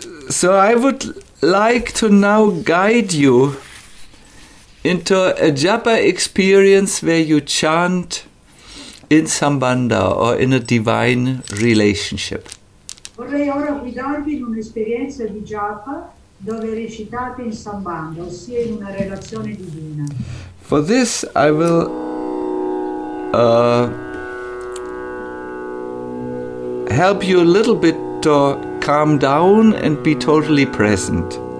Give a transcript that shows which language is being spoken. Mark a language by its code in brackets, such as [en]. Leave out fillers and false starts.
[en] So I would like to now guide you into a japa experience where you chant in sambandha or in a divine relationship. [it] Vorrei ora guidarvi in un'esperienza di japa dove recitate in sambandha, ossia in una relazione divina. [en] For this I will help you a little bit to calm down and be totally present.